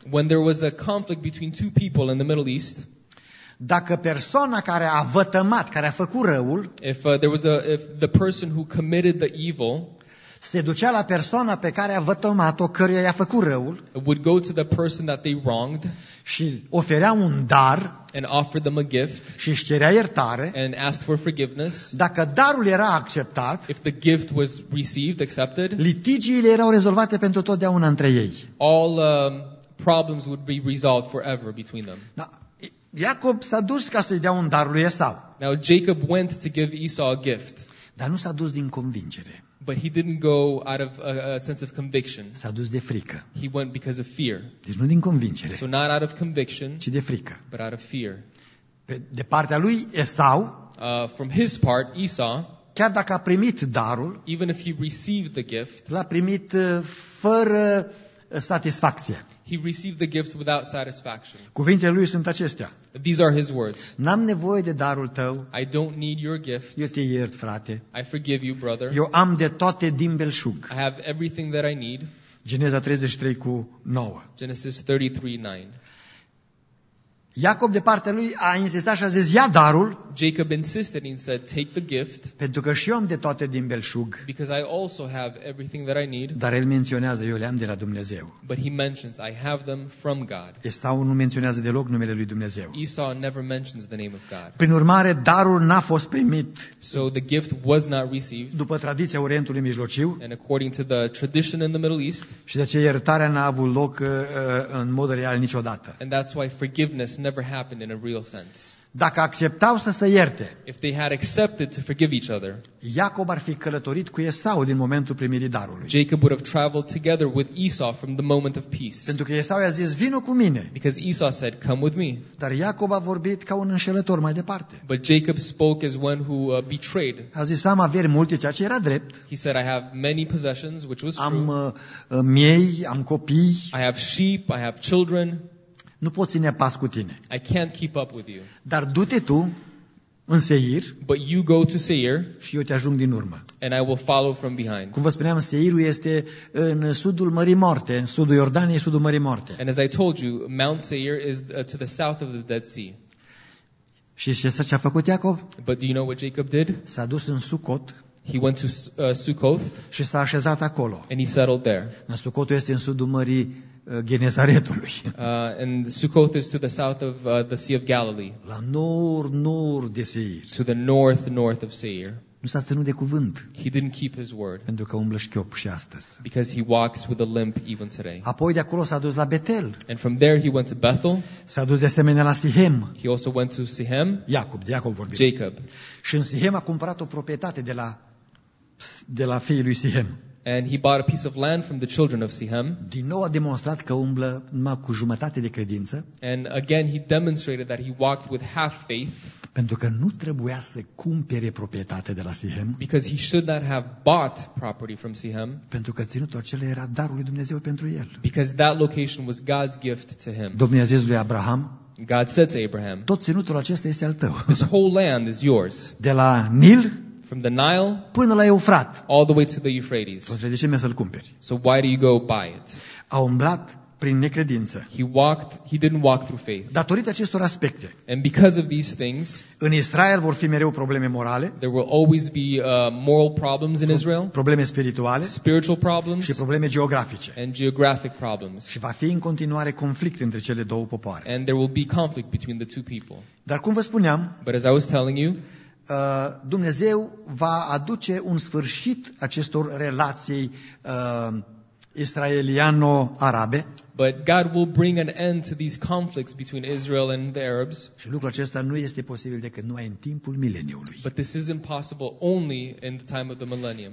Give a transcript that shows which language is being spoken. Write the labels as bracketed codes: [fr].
[en] When there was a conflict between two people in the Middle East. [ro] Dacă persoana care a vătămat, care a făcut răul, [en] if the person who committed the evil, [ro] se ducea la persoana pe care a vătămat-o, căruia i-a făcut răul, [en] would go to the person that they wronged, [ro] și oferea un dar, [en] and offered them a gift, [ro] și își cerea iertare, [en] and asked for forgiveness. [ro] Dacă darul era acceptat, [en] if the gift was received, accepted, [ro] litigiile erau rezolvate pentru totdeauna între ei. [en] All problems would be resolved forever between them. [ro] Da. Iacob s-a dus ca să-i dea un dar lui Esau. [en] Now Jacob went to give Esau a gift. [ro] Dar nu s-a dus din convingere. [en] But he didn't go out of a sense of conviction. [ro] S-a dus de frică. [en] He went because of fear. [ro] Deci nu din convingere. [en] So not out of conviction. [ro] Ci de frică. [en] But out of fear. [ro] De partea lui Esau. [en] From his part, Esau. [ro] Chiar dacă a primit darul. [en] Even if he received the gift. [ro] L-a primit fără satisfacție. [en] He received the gift without satisfaction. [ro] Cuvintele lui sunt acestea. [en] These are his words. [ro] N-am nevoie de darul tău. [en] I don't need your gift. [ro] Eu te iert, frate. [en] I forgive you, brother. [ro] Eu am de toate din belșug. [en] I have everything that I need. [ro] Geneza 33:9. [en] Genesis 33:9. [ro] Iacob de partea lui a insistat și a zis: ia darul. [en] Jacob insisted and said, take the gift. [ro] Pentru că și eu am de toate din belșug. [en] Because I also have everything that I need. [ro] Dar el menționează: eu le am de la Dumnezeu. [en] But he mentions, I have them from God. [ro] Esau nu menționează deloc numele lui Dumnezeu. [en] Esau never mentions the name of God. [ro] Prin urmare, darul n-a fost primit. [en] So the gift was not received. [ro] După tradiția Orientului Mijlociu. [en] And according to the tradition in the Middle East. [ro] Și de aceea iertarea n-a avut loc în mod real niciodată. [en] And that's why forgiveness never happened in a real sense. [ro] Dacă acceptau să se ierte, [en] if they had accepted to forgive each other, [ro] Iacob ar fi călătorit cu Esau din momentul primirii darului. [en] Jacob would have traveled together with Esau from the moment of peace. [ro] Pentru că Esau i-a zis: vino cu mine. [en] Because Esau said, come with me. [ro] Dar Iacob a vorbit ca un înșelător mai departe. [en] But Jacob spoke as one who betrayed. [ro] A zis: am averi multe, ceea ce era drept. [en] He said, I have many possessions, which was true. [ro] Am miei, am copii. [en] I have sheep, I have children. [ro] Nu pot ține pas cu tine. [en] I can't keep up with you. [ro] Dar du-te tu în Seir. [en] But you go to Seir. [ro] Și eu te ajung din urmă. [en] And I will follow from behind. [ro] Cum vă spuneam, Seirul este în sudul Mării Morte, în sudul Iordaniei, sudul Mării Morte. [en] And as I told you, Mount Seir is to the south of the Dead Sea. [ro] Și știi ce a făcut Iacob? [en] But do you know what Jacob did? [ro] S-a dus în Sucot. [en] He went to Sukkoth. [ro] Și s-a așezat acolo. [en] And he settled there. [ro] Sucotul este în sudul Mării Genezaretului. [en] And Sukkoth is to the south of the Sea of Galilee. [ro] La nord de Seir. [en] To the north of Seir. [ro] Nu s-a ținut de cuvânt. [en] He didn't keep his word. [ro] Pentru că umblă șchiop și astăzi. [en] Because he walks with a limp even today. [ro] Apoi de acolo s-a dus la Betel. [en] And from there he went to Bethel. [ro] S-a dus de asemenea la Sihem. [en] He also went to Sihem. [ro] Iacob, de Iacob vorbim. [en] Jacob. [ro] Și în Sihem a cumpărat o proprietate de la fiii lui Sihem. [en] And he bought a piece of land from the children of Sihem. [ro] Din nou a demonstrat că umblă numai cu jumătate de credință. [en] And again he demonstrated that he walked with half faith. [ro] Pentru că nu trebuia să cumpere proprietate de la Sihem. [en] Because he should not have bought property from Sihem. [ro] Pentru că ținutul acela era darul lui Dumnezeu pentru el. [en] Because that location was God's gift to him. [ro] Domnul a zis lui Abraham. [en] God said to Abraham. [ro] Tot ținutul acesta este al tău. [en] This whole land is yours. [ro] De la Nil. [en] From the Nile, [ro] până la Eufrat. [en] All the way to the Euphrates. [ro] Atunci, de ce mi-a să-l cumperi? [en] So why do you go buy it? [ro] A umblat prin necredință. [en] He didn't walk through faith. [ro] Datorită acestor aspecte. [en] And because of these things, [ro] în Israel vor fi mereu probleme morale. [en] There will always be moral problems in Israel. [ro] Probleme spirituale. [en] Spiritual problems. [ro] Și probleme geografice. [en] And geographic problems. [ro] Și va fi în continuare conflict între cele două popoare. [en] And there will be conflict between the two people. [ro] Dar cum vă spuneam, [en] but as I was telling you, [ro] Dumnezeu va aduce un sfârșit acestor relații israeliano-arabe. [en] But God will bring an end to these conflicts between Israel and the Arabs. [ro] Și lucrul acesta nu este posibil decât numai în timpul mileniului. [en] But this is impossible only in the time of the millennium.